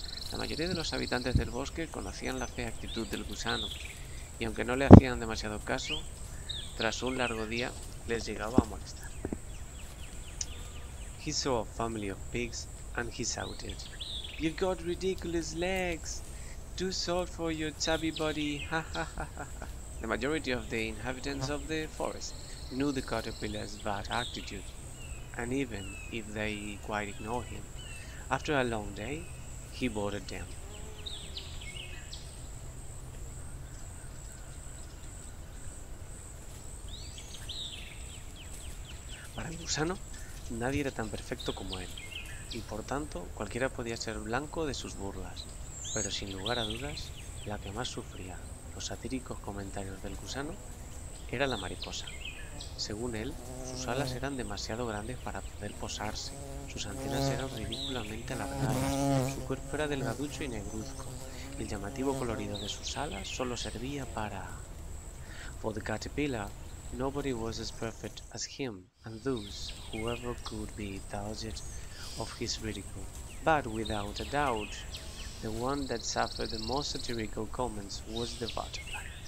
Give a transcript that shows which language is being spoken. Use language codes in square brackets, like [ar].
[es] La mayoría de los habitantes del bosque conocían la fea actitud del gusano, y aunque no le hacían demasiado caso, tras un largo día les llegaba a molestar. [en] He saw a family of pigs and he shouted, you've got ridiculous legs, too short for your chubby body. The majority of the inhabitants of the forest knew the caterpillar's bad attitude, and even if they quite ignored him, after a long day, he bothered them. [es] Para el gusano, nadie era tan perfecto como él. Y por tanto, cualquiera podía ser blanco de sus burlas. Pero sin lugar a dudas, la que más sufría los satíricos comentarios del gusano era la mariposa. Según él, sus alas eran demasiado grandes para poder posarse, sus antenas eran ridículamente alargadas, su cuerpo era delgaducho y negruzco, y el llamativo colorido de sus alas solo servía para... [en] For the caterpillar, nobody was as perfect as him, and those whoever could be targeted of his ridicule, but without a doubt, the one that suffered the most satirical comments was the butterfly.